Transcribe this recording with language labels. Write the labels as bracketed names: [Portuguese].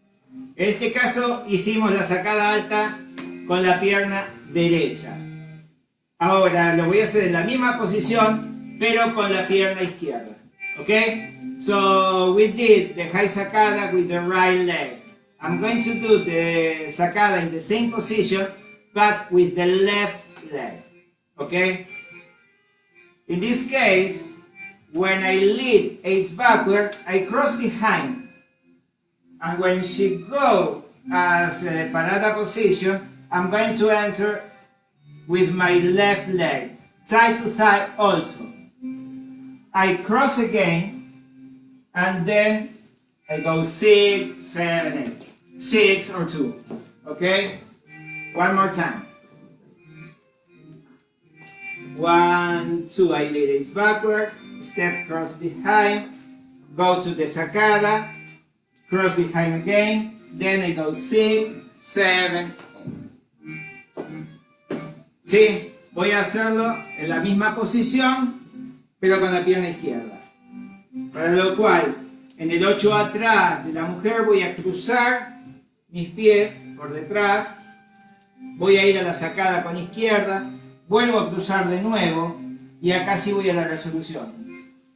[Spanish] En este caso hicimos la sacada alta con la pierna derecha. Ahora lo voy a hacer en la misma posición, pero con la pierna izquierda. Ok. [English] So we did the high sacada with the right leg. I'm going to do the sacada in the same position, but with the left leg, okay? In this case, when I lead H backward, I cross behind. And when she go as a parada position, I'm going to enter with my left leg, side to side also. I cross again, and then I go 6, 7, 8. 6 or 2, okay? One more time. 1, 2, I lead it backward, step cross behind, go to the sacada, cross behind again, then I go 6, 7. [Spanish] Sí, voy a hacerlo en la misma posición, pero con la pierna izquierda. Para lo cual, en el 8 atrás de la mujer voy a cruzar mis pies por detrás, voy a ir a la sacada con izquierda, vuelvo a cruzar de nuevo y acá sí voy a la resolución.